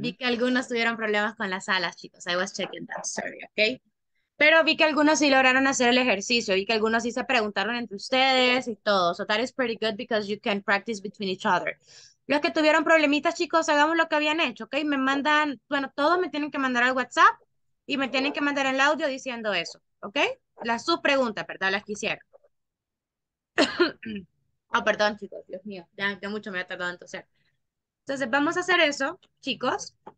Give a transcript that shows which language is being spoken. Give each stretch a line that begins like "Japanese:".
Spanish: Vi que algunos tuvieron problemas con las alas, chicos.
English: I was checking that, sorry,
Spanish: okay? Pero vi que algunos sí lograron hacer el ejercicio. Vi que algunos sí se preguntaron entre ustedes y todo.
English: So that is pretty good because you can practice between each other.
Spanish: Los que tuvieron problemitas, chicos, hagamos lo que habían hecho, okay? Me mandan, bueno, todos me tienen que mandar al WhatsApp y me tienen que mandar el audio diciendo eso, okay? La subpregunta, ¿verdad? Las que hicieron. Oh, perdón, chicos. Dios mío. Ya mucho me ha tardado en toser. Entonces, vamos a hacer eso, chicos.